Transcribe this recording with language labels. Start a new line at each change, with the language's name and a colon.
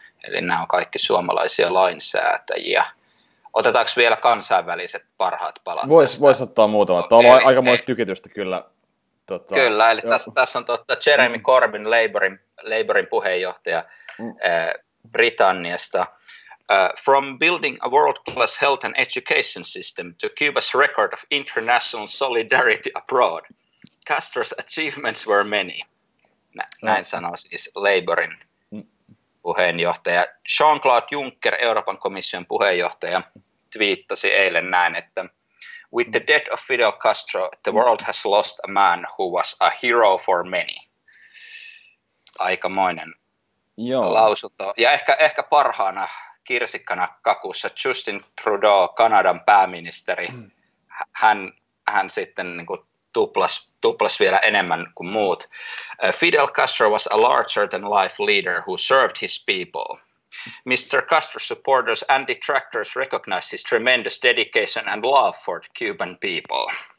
Finnish: Eli nämä on kaikki suomalaisia lainsäätäjiä. Otetaanko vielä kansainväliset parhaat palat? Voisi ottaa muutama. Okay. Tämä on aikamoista tykitystä kyllä. Kyllä, eli tässä on Jeremy Corbyn, Labourin puheenjohtaja Britanniasta.
English: From building a world-class health and education system to Cuba's record of international solidarity abroad, Castro's achievements were many.
Finnish: Näin sanoo siis Labourin puheenjohtaja.
English: Jean-Claude Juncker,
Finnish: Euroopan komission puheenjohtaja, twiittasi eilen näin, että
English: with the death of Fidel Castro, the world has lost a man who was a hero for many.
Finnish: Aikamoinen lausunto. Ja ehkä parhaana kirsikkana kakussa Justin Trudeau, Kanadan pääministeri, hän sitten niin kuin tuplas vielä enemmän kuin muut.
English: Fidel Castro was a larger than life leader who served his people. Mr. Castro's supporters and detractors recognize his tremendous dedication and love for the Cuban people.